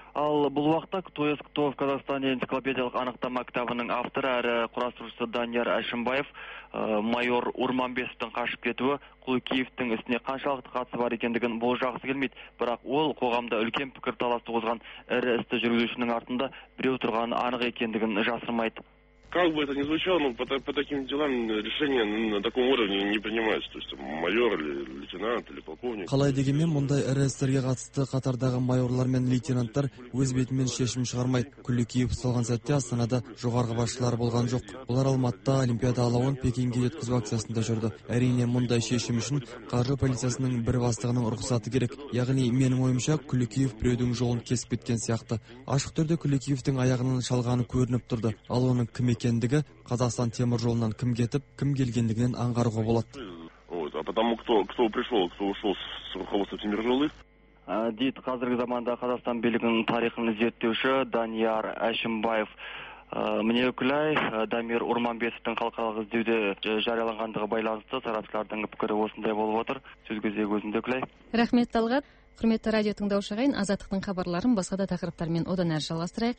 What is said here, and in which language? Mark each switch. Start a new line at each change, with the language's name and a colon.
Kazakh: Ал бұл уақытта кто есть кто в Казахстане энциклопедиялық анықтама кітабының авторы әрі құрастырушысы Данияр Әшімбаев майор Урманбесовтың қашып кетуі Куликиевтің ісіне қаншалықты қатысы бар екендігін болжағысы келмейді, бірақ ол қоғамда үлкен пікірталас туғызған ірі істі жүргізушінің артында біреу тұрғаны анық екендігін жасырмайды.
Russian: Как бы это ни звучало, но по таким делам решения на таком уровне не принимаются. То есть майор или лейтенант или полковник.
Kazakh: Қалай дегенмен, мұндай ірі істерге қатысты қатардағы майорлар мен лейтенанттар өз бетімен шешім шығармайды. Куликиев ұсталған сәтте Астанада жоғарғы басшылар болған жоқ. Олар Алматыда олимпиада алауын Пекинге жеткізу акциясында жүрді. Әрине, мұндай шешім үшін қаржы полициясының бір бастығының рұқсаты керек. Яғни, менің ойымша, Куликиев біреудің жолын кесіп кеткен сияқты. Ашық түрде Куликиевтің аяғынан шалғаны көрініп тұрды. Ал оның кім екендігі Қазақстан темір жолынан кім кетіп, кім келгендігінен аңғаруға болады.
Russian: Кто пришел, кто ушел с руководства темір жолы?
Kazakh: Дейді қазіргі заманда Қазақстан билігінің тарихын зерттеуші Данияр Әшімбаев. Міне өкілай, Дамир Урманбесовтің халықаралық іздеуде жарияланғандығы байланысты сарапшылардың пікірі осындай болып отыр. Сөз кезегі өзіңде өкілай. Рахмет Талғат. Құрметті радио тыңдаушы ағайын, Азаттықтың хабарларын басқа да тақырыптармен одан әрі жалғастырайық.